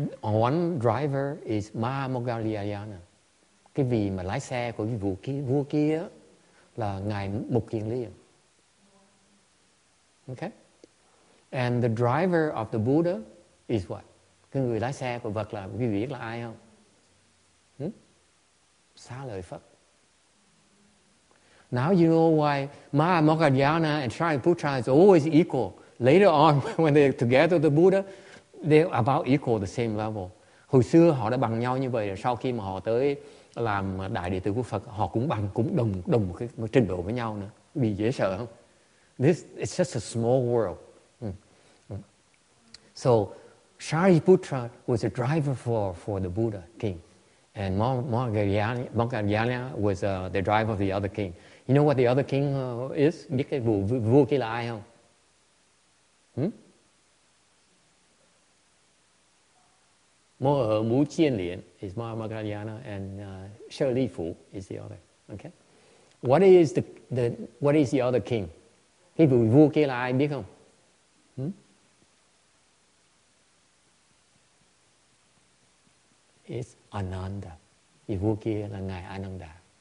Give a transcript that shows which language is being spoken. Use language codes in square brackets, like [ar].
[en] One driver is Mahamoggallayana. [vi] Cái vị mà lái xe của cái vua kia là Ngài Mục Kiền Liên. [en] Okay? And the driver of the Buddha is what? [vi] Cái người lái xe của Phật là, quý vị biết là ai không? Xá Lợi Phất. [en] Now you know why Mahamoggallayana and Shariputra is always equal. Later on, when they're together with the Buddha, they're about equal, the same level. [vi] Hồi xưa họ đã bằng nhau như vậy, sau khi mà họ tới làm đại đệ tử của Phật, họ cũng bằng, cũng đồng cái trình độ với nhau nữa. Bị dễ sợ không? [en] This is just a small world. So, Shariputra was a driver for the Buddha king. And Moggallana was the driver of the other king. You know what the other king is? [vi] Biết cái vua kia là ai không? [en] Mu Chien Lien is Mahamoggallayana, and She Li Fu is the other. Okay, what is the other king? [vi] Cái vị vua kia là ai biết không? [en] It's Ananda. [vi] Vị vua kia là Ngài Ananda.